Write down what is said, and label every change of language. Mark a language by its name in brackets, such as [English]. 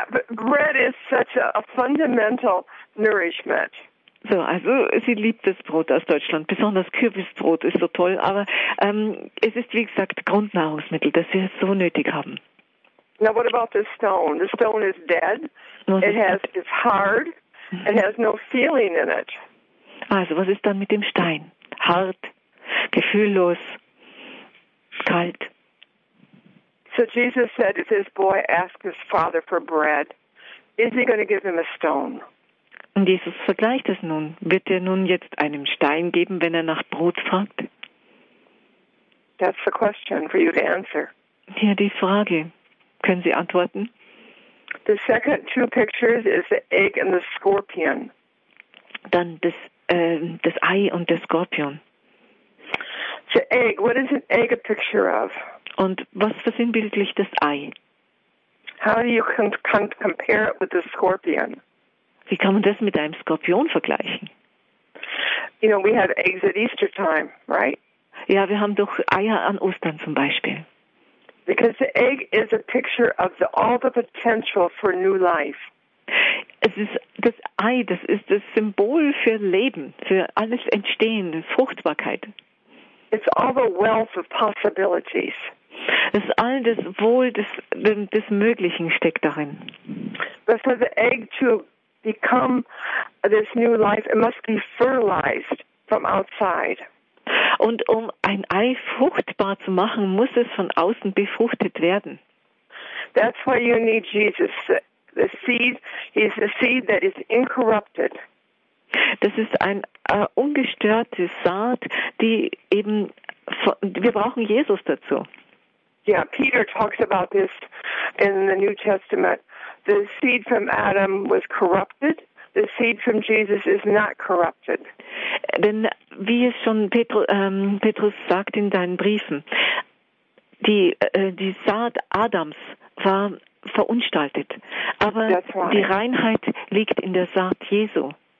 [English] Bread is such a fundamental nourishment. [German] So, also sie liebt das Brot aus Deutschland, besonders Kürbisbrot ist so toll, aber es ist wie gesagt Grundnahrungsmittel, das wir so nötig haben. [English] Now what about the stone? The stone is dead. It's hard and has no feeling in it. [German] Also, was ist dann mit dem Stein? Hart, gefühllos, kalt. [English] So Jesus said, if this boy asks his father for bread, is he going to give him a stone? [German] Und Jesus vergleicht es nun. Wird er nun jetzt einen Stein geben, wenn er nach Brot fragt? [English] That's the question for you to answer. [German] Ja, die Frage. Können Sie antworten? [English] The second two pictures is the egg and the scorpion. [German] Dann das Ei und der Skorpion. [English] The egg, what is an egg a picture of? [German] Und was versinnbildlicht das Ei? [English] How do you compare it with the scorpion? [German] Wie kann man das mit einem Skorpion vergleichen? [English] You know, we have eggs at Easter time, right? [German] Ja, wir haben doch Eier an Ostern zum Beispiel. [English] Because the egg is a picture of all the potential for new life. [German] Es ist das Ei, das ist das Symbol für Leben, für alles Entstehen, Fruchtbarkeit. [English] It's all the wealth of possibilities. [German] Es ist all das Wohl des Möglichen steckt darin. [English] But for the egg to become this new life, it must be fertilized from outside. [German] Und um ein Ei fruchtbar zu machen, muss es von außen befruchtet werden. [English] That's why you need Jesus. The seed is the seed that is incorrupted. [German] Das ist ein ungestörte Saat, die eben, wir brauchen Jesus dazu. [English] Yeah, Peter talks about this in the New Testament. The seed from Adam was corrupted. The seed from Jesus is not corrupted. [German] Denn wie es schon Petrus sagt in seinen Briefen, die Saat Adams war verunstaltet, aber die Reinheit liegt in der Saat Jesu.